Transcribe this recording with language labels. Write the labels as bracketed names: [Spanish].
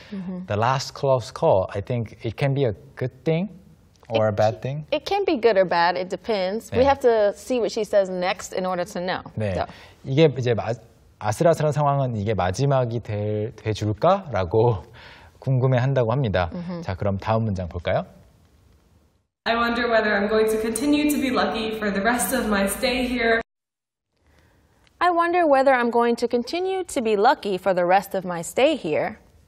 [English] The last close call, I think it can be a good thing or a bad thing. It can be good or bad, it depends. 네. We have to see what she says next in order to know. 네, so. [Korean] 이게 이제 아슬아슬한 상황은 이게 마지막이 돼줄까? 라고 궁금해한다고 합니다. 자, 그럼 다음 문장 볼까요? [English] I wonder whether I'm going to continue to be lucky for the rest of my stay here. I wonder whether I'm going to continue to be lucky for the rest of my stay here.